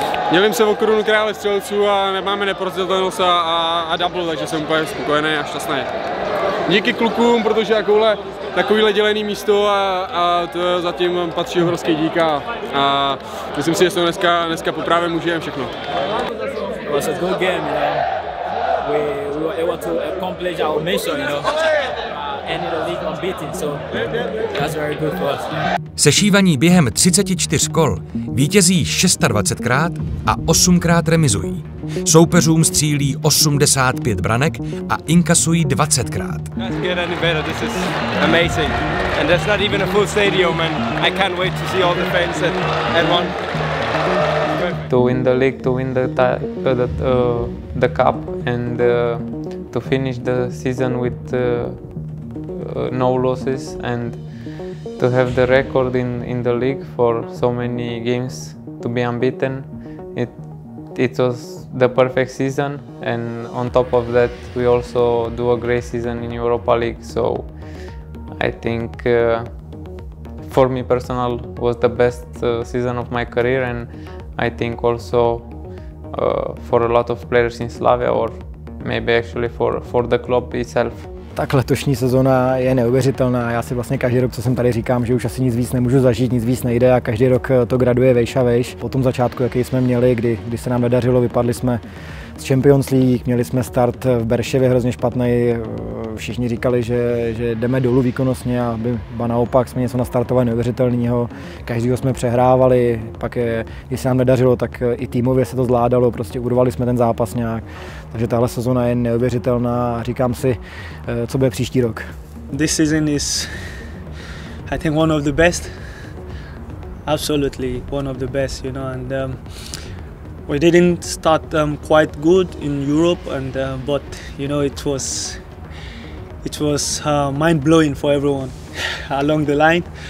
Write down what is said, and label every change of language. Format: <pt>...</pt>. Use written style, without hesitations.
<cs>Dělím se o korunu krále střelců a nemáme neporazitelnost a double, takže jsem úplně spokojený a šťastný. Díky klukům, protože jakouhle takovýhle dělený místo a to zatím patří obrovský dík a myslím si, že to dneska po právě užijeme všechno.</cs> <en>It was a good game, you know. We were able to accomplish our mission, you know. End the league unbeaten, so that's very good for us.</en> <cs>Sešívaní během 34 kol vítězí 26krát a 8krát remizují. Soupeřům střílí 85 branek a inkasují 20krát.</cs> <en>That's good and better. This is amazing. And that's not even a full stadium, and I can't wait to see all the fans at one. To win the league, to win the cup, and to finish the season with no losses, and to have the record in the league for so many games to be unbeaten. It was the perfect season, and on top of that, we also do a great season in Europa League. So I think for me personal was the best season of my career, and I think also for a lot of players in Slavia, or maybe actually for the club itself.</en> <cs>Tak letošní sezona je neuvěřitelná. Já si vlastně každý rok, co jsem tady, říkám, že už asi nic víc nemůžu zažít, nic víc nejde a každý rok to graduje vejš a vejš. Po tom začátku, jaký jsme měli, kdy se nám nedařilo, vypadli jsme z Champions League, měli jsme start v Berševě hrozně špatný. Všichni říkali, že jdeme dolů výkonnostně a ba naopak jsme něco nastartovali neuvěřitelného. Každýho jsme přehrávali, pak když se nám nedařilo, tak i týmově se to zvládalo, prostě urvali jsme ten zápas nějak. Takže tahle sezona je neuvěřitelná a říkám si, co bude příští rok.</cs> <en>This season is I think one of the best. Absolutely one of the best, you know, and we didn't start quite good in Europe and but you know it was mind blowing for everyone along the line.</en>